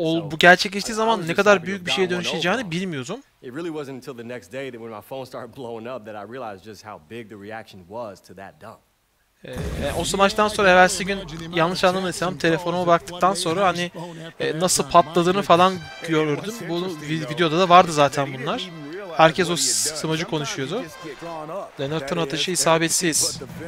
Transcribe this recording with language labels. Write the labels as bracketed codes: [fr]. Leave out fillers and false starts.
[tr] Bu gerçekleştiği zaman ne kadar büyük bir şeye dönüşeceğini bilmiyordum. [en] It really wasn't until the next day that when my phone started blowing up that I realized just how big the reaction was to that dunk. [tr] O maçtan sonra evvelsi gün yanlış anlamadıysam telefonuma baktıktan sonra hani nasıl patladığını falan gördüm. Bu videoda da vardı zaten bunlar. Herkes o smacı konuşuyordu. Leonard'ın atışı isabetsiz.